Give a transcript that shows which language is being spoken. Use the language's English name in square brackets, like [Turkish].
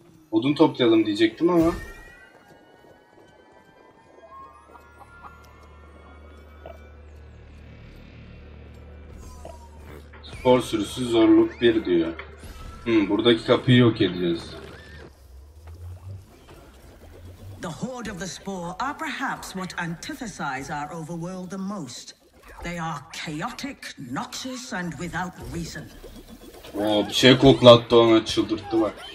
[Turkish] Odun toplayalım diyecektim ama. Spor sürüsü zorluk 1 diyor. Buradaki kapıyı yok edeceğiz. [English] The horde of the spore are perhaps what antithesize our overworld the most. They are chaotic, noxious and without reason. [Turkish] Oo, bir şey koklattı ona, çıldırttı bak.